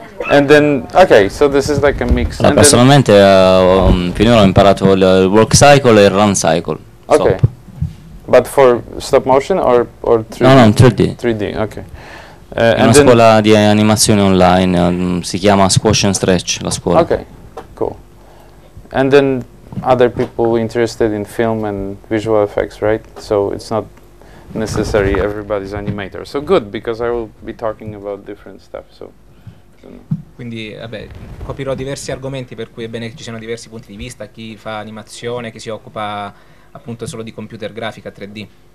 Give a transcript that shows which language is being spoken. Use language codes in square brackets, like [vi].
[en] And then okay, so this is like a mix. [it] Allora, personalmente finora ho imparato il work cycle e il run cycle. [en] Okay. Stop. But for stop motion or 3D? No, 3D. 3D, okay. [it] È una scuola di animazione online, si chiama Squash and Stretch, la scuola. [en] Okay. Cool. And then other people interested in film and visual effects, right? So it's not necessary everybody's animator. So good, because I will be talking about different stuff. So [it] quindi vabbè, coprirò diversi argomenti, per cui è bene che ci siano diversi punti di vista, chi fa animazione, chi si occupa appunto solo di computer grafica 3D.